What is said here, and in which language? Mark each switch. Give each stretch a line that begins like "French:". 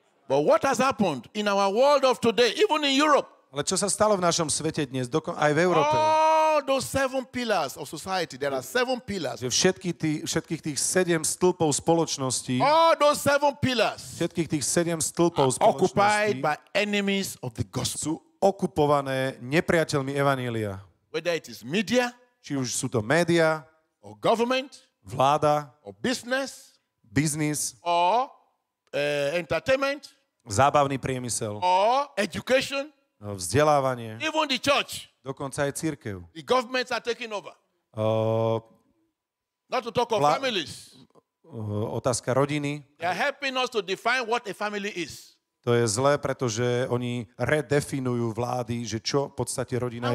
English: But what has happened in our world of today, even in Europe?
Slovak: Ale čo sa stalo v našom svete dnes, aj v Európe?
English: All those seven pillars of society, there are seven pillars.
Slovak: Všetkých tých sedem stĺpov spoločnosti.
English: All those seven pillars.
Slovak: Všetkých tých sedem stĺpov spoločnosti.
English: Occupied by enemies of the gospel.
Slovak: Sú okupované nepriateľmi evanjelia.
English: Whether it is media.
Slovak: Či už sú to média.
English: Or government.
Slovak: Vláda,
English: or business,
Slovak: biznis,
English: or entertainment,
Slovak: zábavný priemysel,
English: or education,
Slovak: vzdelávanie,
English: even the church,
Slovak: dokonca aj cirkev.
English: The governments are taking over. Not to talk of families.
Slovak: Otázka rodiny.
English: They are helping us to define what a family is.
Slovak: To je zlé, pretože oni redefinujú vlády, že čo v podstate rodina